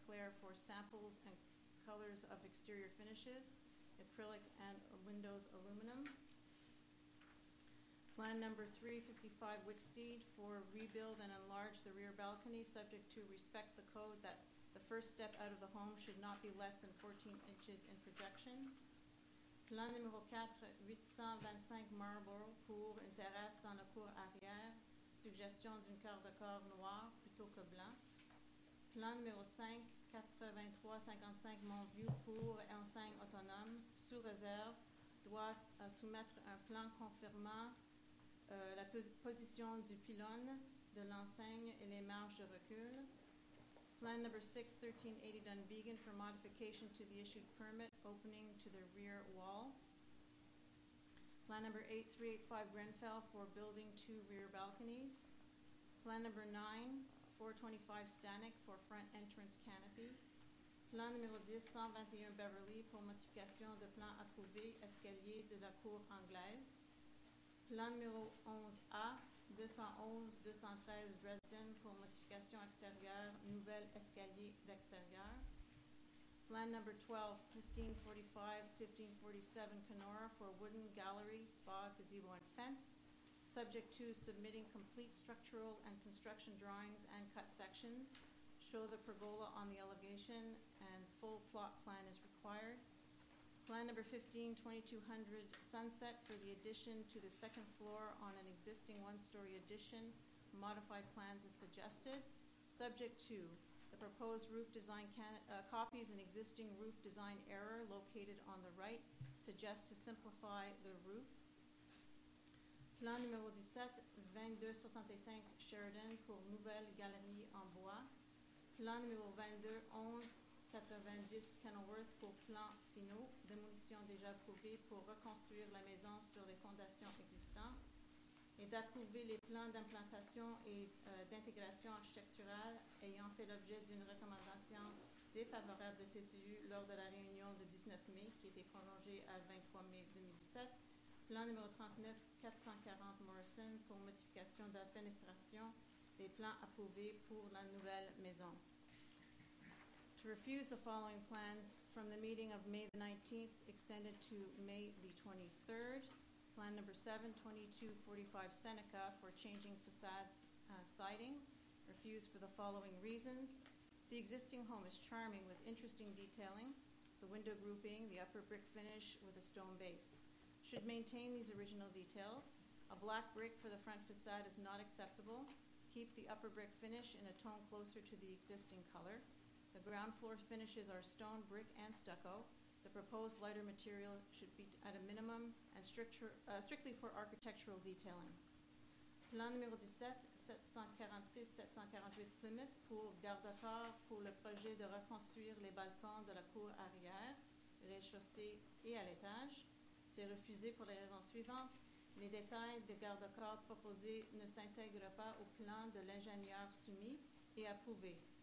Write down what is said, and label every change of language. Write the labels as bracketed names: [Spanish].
[English] Clair for samples and colors of exterior finishes, acrylic and windows aluminum. Plan number 355 Wicksteed for rebuild and enlarge the rear balcony, subject to respect the code that the first step out of the home should not be less than 14 inches in projection. [French] Plan numéro 4-825 Marlborough pour une terrasse dans la cour arrière, suggestion d'une quart de corps noir plutôt que blanc. Plan numéro 5-8355 Montview pour enseigne autonome, sous réserve, doit soumettre un plan confirmant la position du pylône de l'enseigne et les marges de recul. [English] Plan number 6-1380 Dunvegan for modification to the issued permit opening to the rear wall. Plan number 8-385 Grenfell for building two rear balconies. Plan number 9-425 Stanek for front entrance canopy. [French] Plan numéro 10-121 Beverly pour modification de plan approuvé escalier de la cour anglaise. Plan numéro 11A-211-213 Dresden pour modification extérieure, nouvel escalier d'extérieur. [English] Plan number 12-1545-1547 Kenora for wooden gallery, spa, gazebo, and fence, subject to submitting complete structural and construction drawings and cut sections. Show the pergola on the elevation and full plot plan is required. Plan number 15-2200 Sunset for the addition to the second floor on an existing one-story addition, modified plans as suggested, subject to the proposed roof design copies an existing roof design error located on the right, suggest to simplify the roof. [French] Plan numéro 17-2265 Sheridan pour nouvelle galerie en bois. Plan numéro 22-1190 Kenilworth pour plan finaux, démolition déjà approuvée pour reconstruire la maison sur les fondations existantes. et d'approuver les plans d'implantation et d'intégration architecturale ayant fait l'objet d'une recommandation défavorable de CCU lors de la réunion de 19 mai, qui était prolongée à 23 mai 2017, plan numéro 39-440 Morrison pour modification de la fenestration des plans approuvés pour la nouvelle maison. [English] To refuse the following plans from the meeting of May the 19th, extended to May the 23rd, plan number 7-2245 Seneca for changing facades siding. Refused for the following reasons. The existing home is charming with interesting detailing, the window grouping, the upper brick finish with a stone base. Should maintain these original details. A black brick for the front facade is not acceptable. Keep the upper brick finish in a tone closer to the existing color. The ground floor finishes are stone, brick, and stucco. The proposed lighter material should be at a minimum and strictly for architectural detailing. [French] Plan numéro 17-746-748 Plymouth pour garde-corps pour le projet de reconstruire les balcons de la cour arrière, rez-de-chaussée et à l'étage. C'est refusé pour les raisons suivantes. Les détails de garde-corps proposés ne s'intègrent pas au plan de l'ingénieur soumis et approuvé.